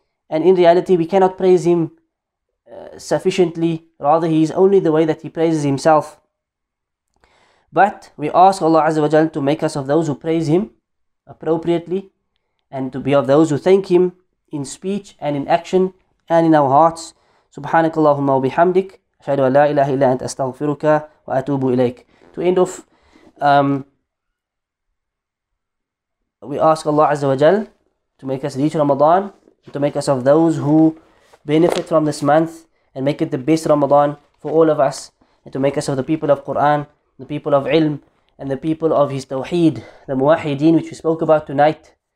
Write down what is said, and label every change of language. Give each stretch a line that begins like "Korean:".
English: And in reality, we cannot praise Him sufficiently. Rather, He is only the way that He praises Himself. But we ask Allah Azza wa Jal to make us of those who praise Him appropriately and to be of those who thank Him in speech and in action and in our hearts.
Arabic: Subhanakallahumma wa bihamdik. أشهد أن لا إله إلا أنت أستغفرك وأتوب إليك.
English: To end off, we ask Allah Azza wa Jal to make us reach Ramadan, to make us of those who benefit from this month and make it the best Ramadan for all of us, and to make us of the people of Quran, the people of ilm, and the people of His Tawheed, the Muwahideen, which we spoke about tonight.